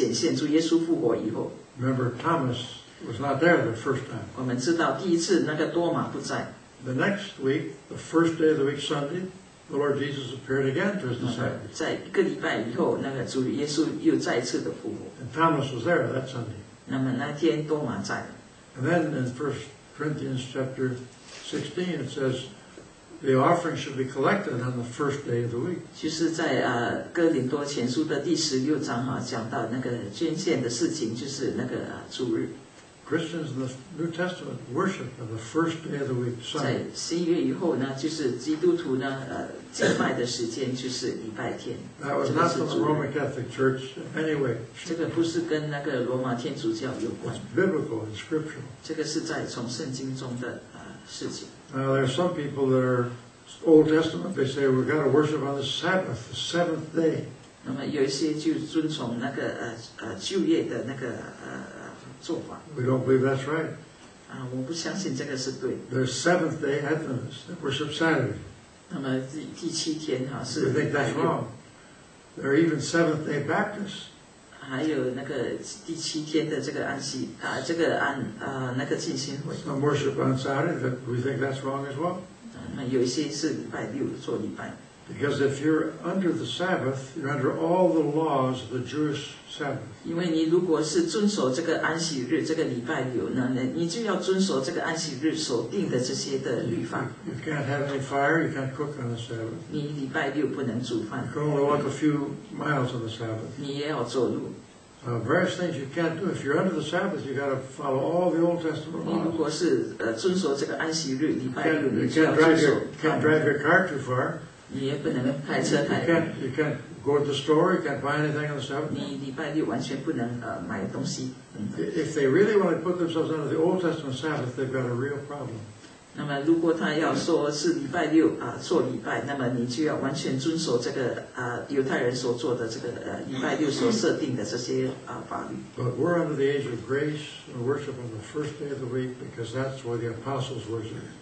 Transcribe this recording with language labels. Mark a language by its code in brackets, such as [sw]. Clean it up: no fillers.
[zh] 据说主耶稣在那个楼房上面呢，向他们显现主耶稣复活以后。 [en] Remember, Thomas was not there the first time. [zh] 我们知道第一次那个多马不在。 [en] The next week, the first day of the week, Sunday, the Lord Jesus appeared again to his disciples. [zh] 在一个礼拜以后，那个主耶稣又再次的复活。 [en] And Thomas was there that Sunday. [zh] 那么那天多马在。 [en] And then in 1 Corinthians chapter 16, it says the offering should be collected on the first day of the week. [zh] 就是在哥林多前书的第16章讲到那个捐献的事情，就是那个主日。 [en] Christians in the New Testament worship on the first day of the week, Sunday. [zh] 在十一月以后呢，就是基督徒呢，敬拜的时间就是礼拜天。 [en] That was not from the Roman Catholic Church anyway. [zh] 这个不是跟那个罗马天主教有关。 [en] It's biblical and scriptural. [zh] 这个是在从圣经中的事情。 [en] Now there are some people that are Old Testament. They say we've got to worship on the Sabbath, the seventh day. [zh] 那么有一些就遵从那个旧约的那个做法。 [en] We don't believe that's right. [zh] 我不相信这个是对。 [en] There's seventh day Adventists that worship Saturday. [zh] 那么第七天哈是。 [en] We think that's wrong. There are even seventh day Baptists. [zh] 还有那个第七天的这个安息这个那个进行会。 [en] Some worship on Saturday that we think that's wrong as well. [zh] 那有一些是礼拜六做礼拜。 [en] Because if you're under the Sabbath, you're under all the laws of the Jewish Sabbath. [zh] 因为你如果是遵守这个安息日，这个礼拜六呢，你就要遵守这个安息日所定的这些的律法。 [en] You can't have any fire. You can't cook on the Sabbath. [zh] 你礼拜六不能煮饭。 [en] You can only walk a few miles on the Sabbath. [zh] 你也要走路。 [en] Various things you can't do. If you're under the Sabbath, you've got to follow all the Old Testament laws. [zh] 你如果是遵守这个安息日，礼拜六你就要遵守。 [en] Can't drive your car too far. You can't go to the store. You can't buy anything on the Sabbath. [zh] 你礼拜六完全不能买东西。 [en] If they really want to put themselves under the Old Testament Sabbath, they've got a real problem. [zh] 那么如果他要说是礼拜六做礼拜，那么你就要完全遵守这个犹太人所做的这个礼拜六所设定的这些法律。 [en] But we're under the age of grace and worship on the first day of the week because that's where the apostles worshiped.